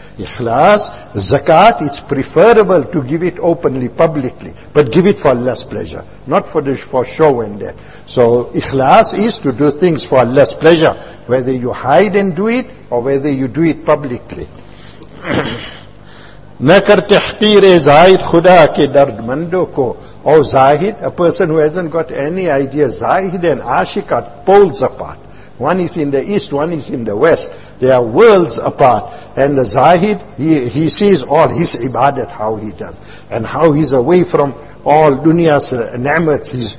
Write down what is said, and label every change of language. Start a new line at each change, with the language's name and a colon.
English: Ikhlas, zakat, it's preferable to give it openly, publicly, but give it for Allah's pleasure, not for the, for show and that. So ikhlas is to do things for Allah's pleasure, whether you hide and do it, or whether you do it publicly.
Urdu: نہ کرتے تحقیر زاہد خدا کے درد مندوں کو.
English: اور زاہد, a person who hasn't got any idea, زاہد and عاشق are poles apart. One is in the east, one is in the west. They are worlds apart. And the زاہد, he sees all his ibadat, how he does. And how he's away from all dunya's ni'mats.